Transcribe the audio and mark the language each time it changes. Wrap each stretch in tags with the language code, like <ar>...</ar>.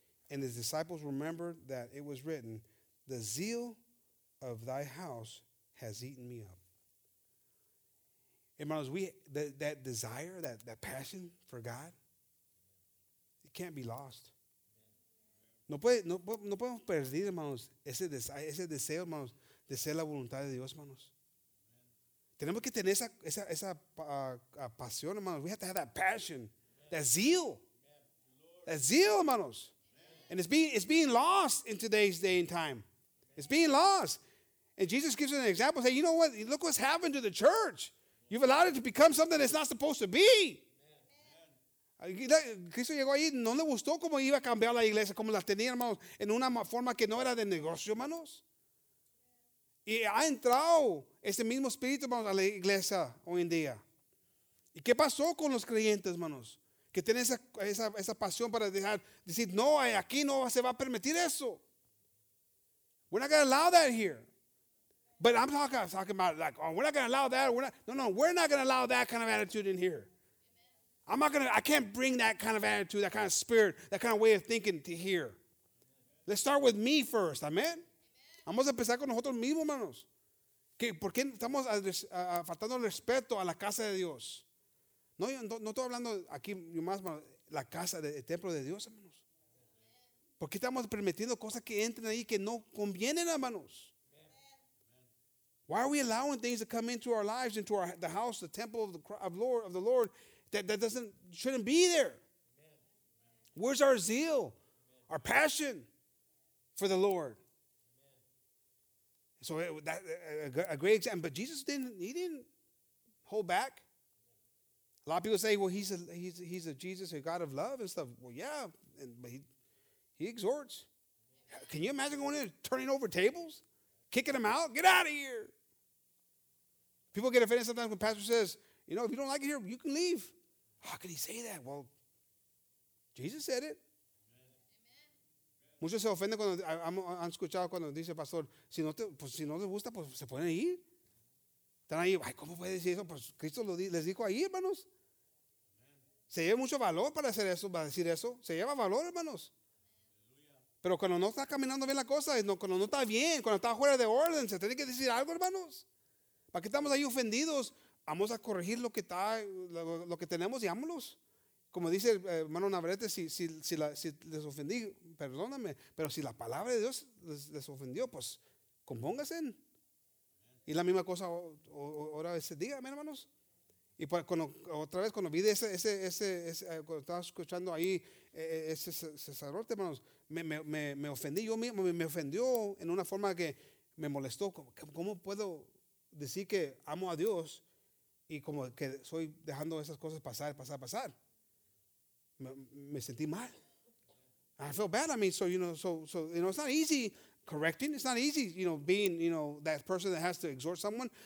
<en>And his disciples remembered that it was written, the zeal of thy house has eaten me up. Hermanos, that desire, that passion for God, it can't be lost.</en> <es>No podemos perder, hermanos, ese deseo, hermanos, de ser la voluntad de Dios, hermanos. Tenemos que tener esa pasión, hermanos.</es> <en>We have to have that passion, that zeal. That zeal, hermanos. And it's being lost in today's day and time. It's being lost. And Jesus gives an example. Say, you know what? Look what's happened to the church. You've allowed it to become something it's not supposed to be.</en> <es>Cristo llegó ahí, no le gustó cómo iba a cambiar la iglesia, cómo la tenía, hermanos, en una forma que no era de negocio, hermanos. Y ha entrado ese mismo espíritu, hermanos, a la iglesia hoy en día. ¿Y qué pasó con los creyentes, hermanos? Que tienen esa pasión para decir, no, aquí no se va a permitir eso.</es> <en>We're not going to allow that here. But I'm talking about like, oh, we're not going to allow that. We're not going to allow that kind of attitude in here. I can't bring that kind of attitude, that kind of spirit, that kind of way of thinking to here. Let's start with me first.</en> <es>Amen. Vamos a empezar con nosotros mismos, hermanos. ¿Por qué estamos faltando respeto a la casa de Dios? No estoy hablando aquí más la casa del templo de Dios, hermanos. ¿Por qué estamos permitiendo cosas que entren ahí que no convienen, hermanos?</es> <en>Why are we allowing things to come into our lives, into our the house, the temple of the Lord that shouldn't be there? Where's our zeal, our passion for the Lord? So that a great example. But Jesus didn't hold back. A lot of people say, well, he's a Jesus, a God of love and stuff. Well, yeah, but he exhorts. Can you imagine going in and turning over tables, kicking them out? Get out of here. People get offended sometimes when pastor says, you know, if you don't like it here, you can leave. How could he say that? Well, Jesus said it.</en> <es>Muchos se ofenden cuando han escuchado cuando dice pastor, si no les gusta, pues se pueden ir. Están ahí, ay, ¿cómo puede decir eso? Pues Cristo les dijo ahí, hermanos. Se lleva mucho valor para hacer eso, para decir eso. Se lleva valor, hermanos. Pero cuando no está caminando bien la cosa, cuando no está bien, cuando está fuera de orden, se tiene que decir algo, hermanos. ¿Para qué estamos ahí ofendidos? Vamos a corregir lo que tenemos y ámonos. Como dice hermano Navarrete, si les ofendí, perdóname, pero si la palabra de Dios les ofendió, pues compóngase. Y la misma cosa ahora ese día, hermanos. Y pues, cuando vi ese cuando estaba escuchando ahí ese sacerdote, hermanos, me ofendí yo mismo, me ofendió en una forma que me molestó. ¿Cómo puedo decir que amo a Dios y como que soy dejando esas cosas pasar? Me sentí mal.</es> <en>I feel bad. I mean, so, it's not easy correcting. It's not easy, being, that person that has to exhort someone.</en>